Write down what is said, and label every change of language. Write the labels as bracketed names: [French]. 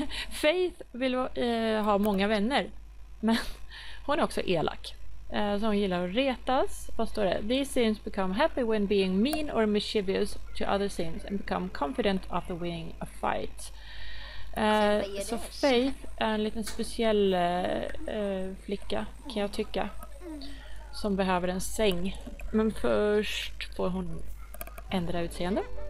[Swedish] Faith vill ha många vänner. Men hon är också elak. Så hon gillar att retas. Vad står det? [English] These sims become happy when being mean or mischievous to other sims and become confident after winning a fight. [Swedish] Så Faith är en liten speciell flicka, kan jag tycka. Som behöver en säng. Men först får hon ändra utseende.